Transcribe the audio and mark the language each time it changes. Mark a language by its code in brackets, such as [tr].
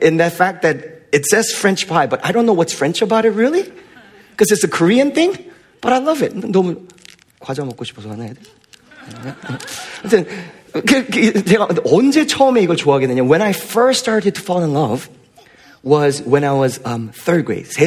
[en] In the fact that it says French fry, but I don't know what's French about it, really. Because it's a Korean thing, but I love it. [ko] 너무 과자 먹고 싶어서 하나 해야 돼? 아무튼, 제가 언제 처음에 이걸 좋아하게 되냐. [en] When I first started to fall in love was when I was third grade.